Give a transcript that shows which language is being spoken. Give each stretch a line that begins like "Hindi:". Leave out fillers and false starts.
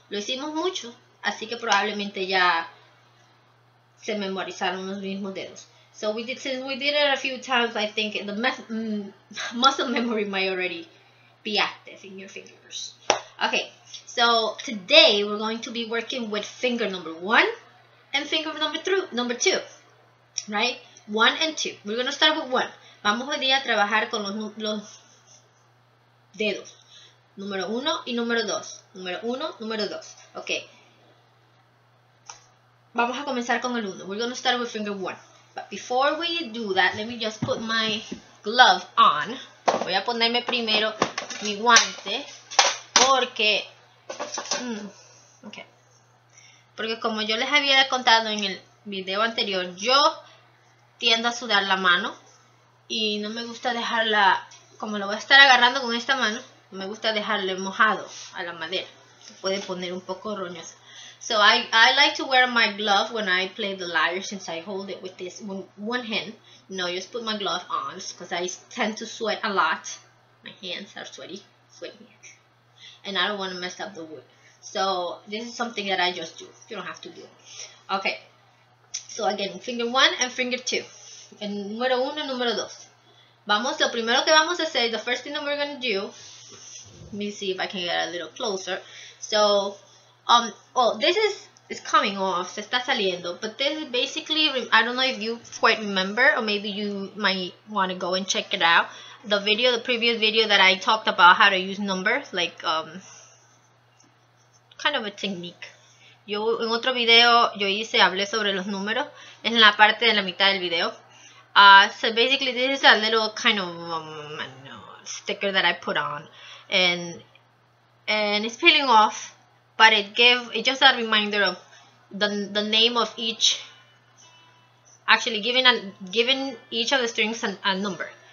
Spanish: Lo hicimos mucho, así que probablemente ya se memorizaron los mismos dedos.
English: So we did, since we did it a few times, I think the muscle memory might already be active in your fingers. Okay, so today we're going to be working with finger number one. And finger number two, right? One and two. We're going to start with one.
Spanish: Vamos hoy día a trabajar con los dedos. Número uno y número dos. Número uno, número dos. Ok. Vamos a comenzar con el uno.
English: We're going to start with finger one. But before we do that, let me just put my glove on.
Spanish: Voy a ponerme primero mi guante. Porque... ok. Porque como yo les había contado en el video anterior, yo tiendo a sudar la mano y no me gusta dejarla, como lo voy a estar agarrando con esta mano, no me gusta dejarle mojado a la madera. Se puede poner un poco roñosa.
English: So I like to wear my glove when I play the lyre, since I hold it with this one hand. No, just put my glove on because I tend to sweat a lot. My hands are sweaty hands. And I don't want to mess up the wood. So, this is something that I just do. You don't have to do it. Okay. So, So again, finger 1 and finger 2.
Spanish: El número 1 y número 2. Vamos, lo primero que vamos a hacer,
English: the first thing that we're going to do, let me see if I can get a little closer. So, it's coming off,
Spanish: se está saliendo,
English: but this is basically, I don't know if you quite remember, or maybe you might want to go and check it out, the video, the previous video that I talked about how to use numbers, like, kind of a technique.
Spanish: Yo, en otro video, yo hice, hablé sobre los números, es en la parte de la mitad del video.
English: So basically, this is a little kind of sticker that I put on, and it's peeling off, but it just a reminder of the name of each, actually giving each of the strings a number.